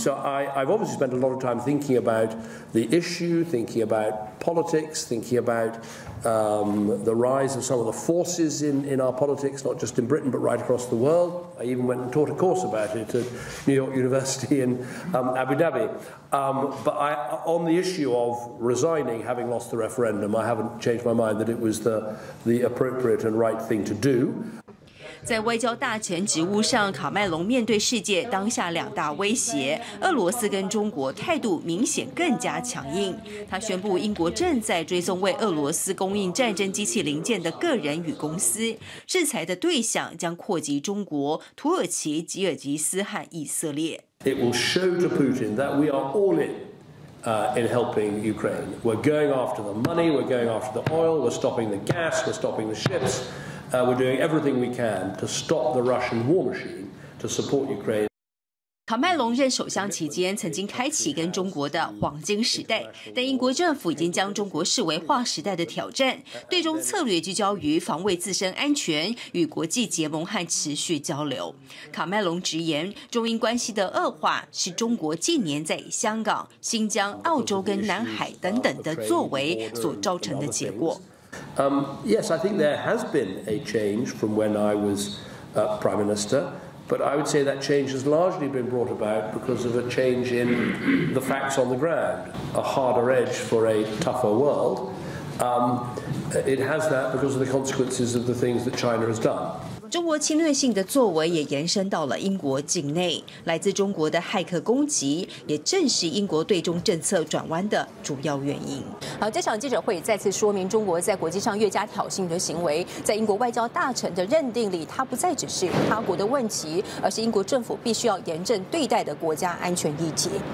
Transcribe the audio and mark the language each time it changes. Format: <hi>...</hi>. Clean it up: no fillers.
<en>So I've obviously spent a lot of time thinking about the issue, thinking about politics, thinking about the rise of some of the forces in our politics, not just in Britain, but right across the world. I even went and taught a course about it at New York University in Abu Dhabi. But I, on the issue of resigning, having lost the referendum, I haven't changed my mind that it was the appropriate and right thing to do.</en> <zh>在外交大臣职务上，卡麦隆面对世界当下两大威胁，俄罗斯跟中国，态度明显更加强硬。他宣布英国正在追踪为俄罗斯供应战争机器零件的个人与公司，制裁的对象将扩及中国、土耳其、吉尔吉斯和以色列。</zh> <en>It will show to Putin that we are all in helping Ukraine. We're going after the money, we're going after the oil, we're stopping the gas, we're stopping the ships. We're doing everything we can to stop the Russian war machine to support Ukraine.</en> <zh>卡麦隆任首相期间曾经开启跟中国的黄金时代，但英国政府已经将中国视为划时代的挑战，对中策略聚焦于防卫自身安全与国际结盟和持续交流。卡麦隆直言，中英关系的恶化是中国近年在香港、新疆、澳洲跟南海等等的作为所造成的结果。</zh> <en>Yes, I think there has been a change from when I was Prime Minister. But I would say that change has largely been brought about because of a change in the facts on the ground, a harder edge for a tougher world. It has that because of the consequences of the things that China has done.</en> <zh>中国侵略性的作为也延伸到了英国境内，来自中国的骇客攻击也正是英国对中政策转弯的主要原因。好，这场记者会再次说明中国在国际上越加挑衅的行为，在英国外交大臣的认定里，它不再只是他国的问题，而是英国政府必须要严正对待的国家安全议题。</zh>